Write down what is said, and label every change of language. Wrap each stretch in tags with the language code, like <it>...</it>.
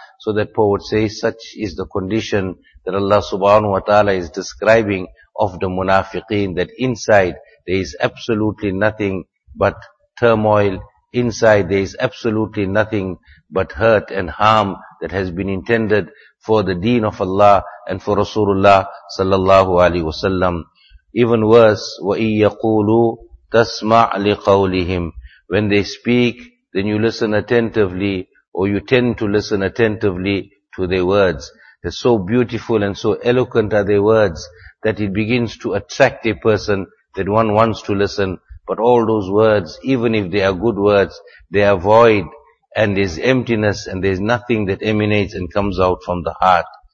<en>So that poet says, such is the condition that Allah subhanahu wa ta'ala is describing of the munafiqeen, that inside there is absolutely nothing but turmoil, inside there is absolutely nothing but hurt and harm that has been intended for the deen of Allah and for Rasulullah sallallahu alayhi wa sallam. Even worse,</en> <ar>وَإِن يَقُولُوا تَسْمَعْ لِقَوْلِهِمْ.</ar> <en>When they speak, then you listen attentively, or you tend to listen attentively to their words. They're so beautiful and so eloquent are their words that it begins to attract a person that one wants to listen. But all those words, even if they are good words, they are void and there's emptiness and there's nothing that emanates and comes out from the heart.</en>